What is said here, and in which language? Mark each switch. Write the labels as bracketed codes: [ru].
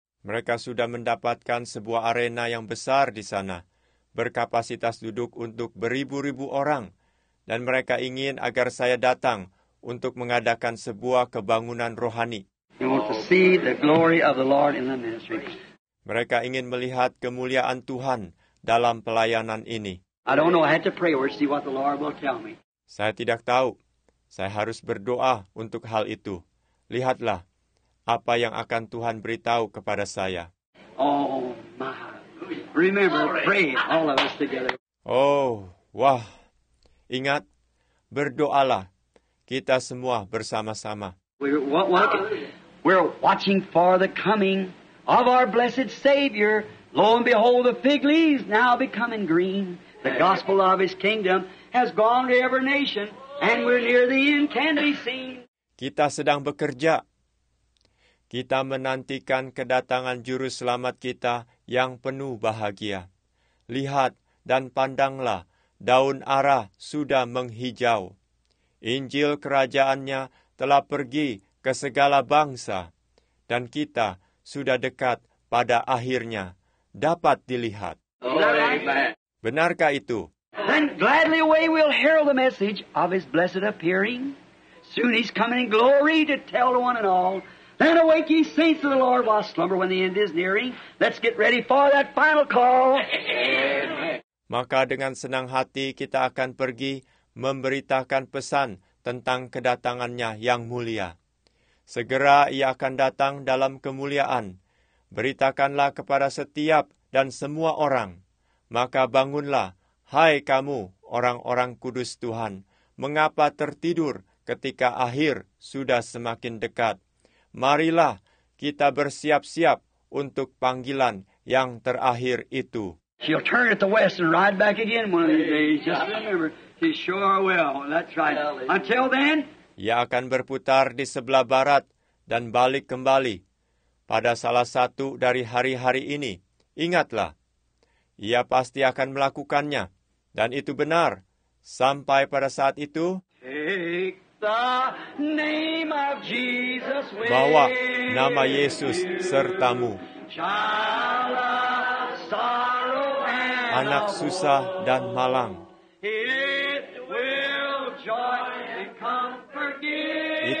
[id] Mereka sudah mendapatkan sebuah arena yang besar di sana, berkapasitas duduk untuk beribu-ribu orang, dan mereka ingin agar saya datang untuk mengadakan sebuah kebangunan rohani. [en] They want to see the glory of the Lord in the ministry. [id] Mereka ingin melihat kemuliaan Tuhan dalam pelayanan ini. [en] I don't know. I have to pray or see what the Lord will tell me. [id] Saya tidak tahu. Saya harus berdoa untuk hal itu. Lihatlah apa yang akan Tuhan beritahu kepada saya. [en] Oh my. Remember, pray all of us together. [id] Oh, wah. Ingat, berdoalah kita semua bersama-sama. [en] We're watching for the coming of our blessed Savior. Lo and behold, the fig leaves now becoming green. The gospel of his kingdom has gone to every nation, and we're near the end, can be seen. [id] Kita sedang bekerja. Kita menantikan kedatangan Juru Selamat kita yang penuh bahagia. Lihat dan pandanglah, daun ara sudah menghijau. Injil kerajaannya telah pergi ke segala bangsa, dan kita sudah dekat pada akhirnya. Dapat dilihat. Benarkah itu? [en] Then gladly away we'll herald the message of his blessed appearing. Soon he's coming in glory to tell to one and all. Then awake ye saints of the Lord while slumber when the end is nearing. Let's get ready for that final call. [id] Maka dengan senang hati kita akan pergi memberitakan pesan tentang kedatangannya yang mulia. Segera ia akan datang dalam kemuliaan. Beritakanlah kepada setiap dan semua orang. Maka bangunlah, hai kamu, orang-orang kudus Tuhan. Mengapa tertidur ketika akhir sudah semakin dekat? Marilah kita bersiap-siap untuk panggilan yang terakhir itu. [en] She'll turn at the west and ride back again one of these days. Just remember, she sure will. That's right. Until then, [id] ia akan berputar di sebelah barat dan balik kembali pada salah satu dari hari-hari ini. Ingatlah. Ia pasti akan melakukannya, dan itu benar. Sampai pada saat itu, [en] take the name of Jesus with [id] bawa nama Yesus sertamu. [en] Child of sorrow and [id] anak susah dan malang, [en] it will joy and comfort you.